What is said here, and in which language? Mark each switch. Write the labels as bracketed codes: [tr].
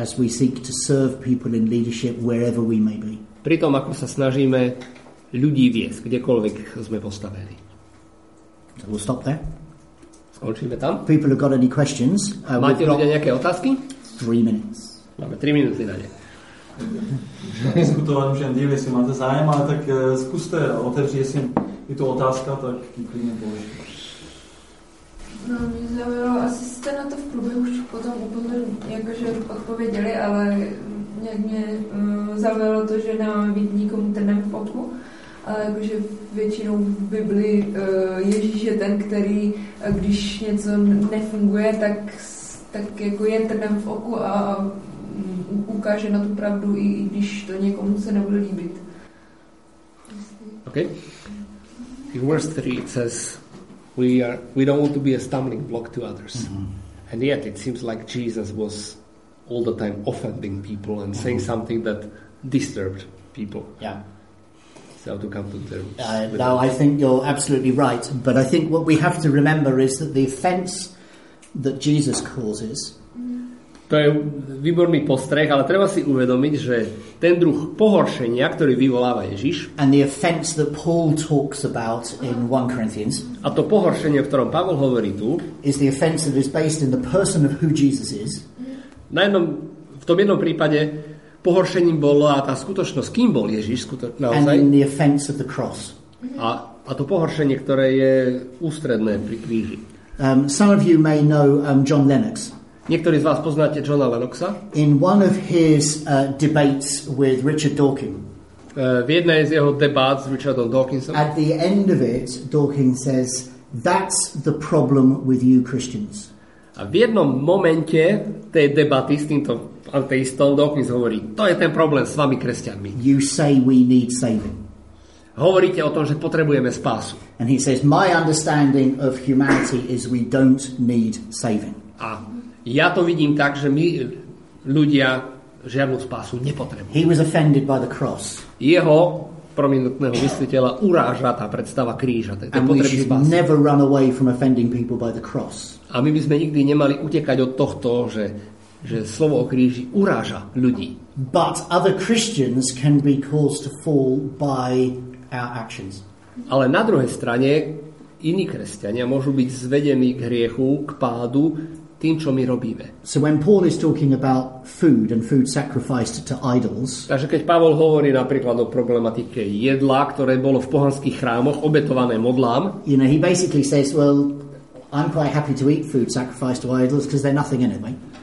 [en] As we seek to serve people in leadership wherever we may be. [sk] Pri tom, ako sa snažíme ľudí viesť, kdekoľvek sme postavili. [en] So we'll stop there. [sk] Skončíme tam. [en] People have got any questions? [sk] Máte ľudia nejaké otázky? [en] 3 minutes. [sk] Máme 3 minúty na ne. [cs] Diskutovať už jen diev, jestli máte zájem, ale tak skúste otevřiť, jestli je to otázka, tak klidne položí. No, mě zaujalo, asi jste na to v průběhu už potom úplně jakože odpověděli, ale nějak mě zaujalo to, že nemáme být nikomu trnem v oku, ale jakože většinou v Bibli Ježíš je ten, který, když něco nefunguje, tak jako je trnem v oku a ukáže na tu pravdu, i když to někomu se nebude líbit. [en] OK. In verse 3 it says, we don't want to be a stumbling block to others. Mm-hmm. And yet it seems like Jesus was all the time offending people and saying something that disturbed people. Yeah. So to come to terms. Now I think you're absolutely right, but I think what we have to remember is that the offense that Jesus causes, [sk] to je výborný postreh, ale treba si uvedomiť, že ten druh pohoršenia, ktorý vyvoláva Ježiš, [en] and the offense that Paul talks about in 1 Corinthians, [sk] a to pohoršenie, o ktorom Pavol hovorí tu, [en] is the offense that is based in the person of who Jesus is. [sk] V tom jednom prípade pohoršením bola tá skutočnosť, kým bol Ježiš naozaj. [en] And in the offense of the cross. [sk] A to pohoršenie, ktoré je ústredné pri kríži. [en] Some of you may know John Lennox. [sk] Niektorí z vás poznáte Johna Lennoxa. [en] In one of his debates with Richard Dawkins. [sk] V jednej z jeho debát s Richardom Dawkinsom. [en] At the end of it, Dawkins says, "That's the problem with you Christians." [sk] A v jednom momente tej debaty s týmto ateistom Dawkins hovorí, to je ten problém s vami kresťanmi. [en] You say we need saving. [sk] Hovoríte o tom, že potrebujeme spásu. [en] And he says, "My understanding of humanity is we don't need saving." [sk] A ja to vidím tak, že my ľudia žiadnu spásu nepotrebujú. [en] He was offended by the cross. [sk] Jeho prominentného vysvetiteľa uráža tá predstava kríža, tej potreby spásy. [en] And we should never run away from offending people by the cross. [sk] A my by sme nikdy nemali utekať od tohto, že slovo o kríži uráža ľudí. [en] But other Christians can be caused to fall by our actions. [sk] Ale na druhej strane iní kresťania môžu byť zvedení k hriechu, k pádu, tým, čo my robíme. [en] So when Paul is talking about food and food sacrificed to idols. [sk] Takže keď Pavol hovorí napríklad o problematike jedla, ktoré bolo v pohanských chrámoch obetované modlám, [en] you know, he basically says, well, I'm quite happy to eat food sacrificed to idols because they're nothing anyway.